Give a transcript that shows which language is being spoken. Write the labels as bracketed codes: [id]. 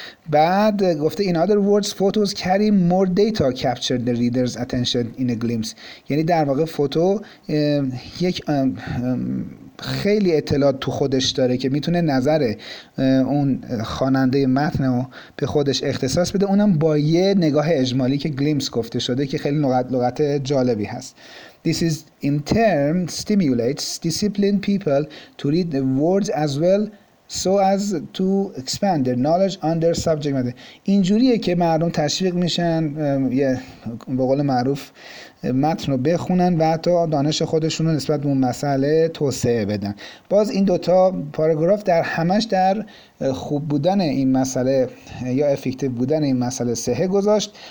[fa] بعد گفته [en] in other words photos carry more data captured the reader's attention in a glimpse، [fa] یعنی در واقع فوتو یک خیلی اطلاعات تو خودش داره که میتونه نظر اون خواننده متن رو به خودش اختصاص بده، اونم با یه نگاه اجمالی که گلیمس گفته شده که خیلی لغت جالبی هست. [en] This is in turn stimulates disciplined people to read the words as well so as to expand their knowledge on their subject matter. [fa] اینجوریه که مردم تشویق میشن یه به قول معروف متن رو بخونن و حتی دانش خودشون رو نسبت به اون مسئله توسعه بدن. باز این دوتا پاراگراف در همش در خوب بودن این مسئله یا افکتیو بودن این مسئله صحه گذاشت.